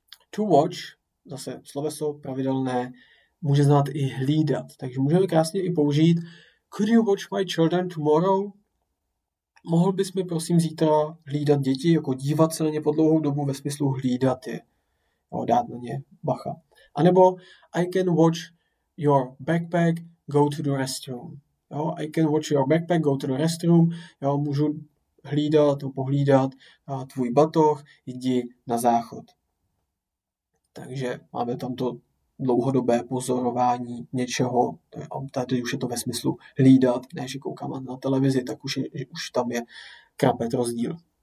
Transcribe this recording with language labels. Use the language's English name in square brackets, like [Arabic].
[English] To watch, [Czech] zase sloveso pravidelné, může znamenat i hlídat. Takže můžeme krásně i použít [English] could you watch my children tomorrow? [Czech] Mohl bys mi prosím zítra hlídat děti, jako dívat se na ně po dlouhou dobu ve smyslu hlídat je. No, dát na ně bacha. A nebo [English] I can watch your backpack go to the restroom. [Czech] Jo, [English] I can watch your backpack, go to the restroom. [Czech] Já můžu hlídat, pohlídat tvůj batoh, jdi na záchod. Takže máme tam to dlouhodobé pozorování něčeho. Tady už je to ve smyslu hlídat, ne, že koukám na televizi, tak už tam je krapet rozdíl.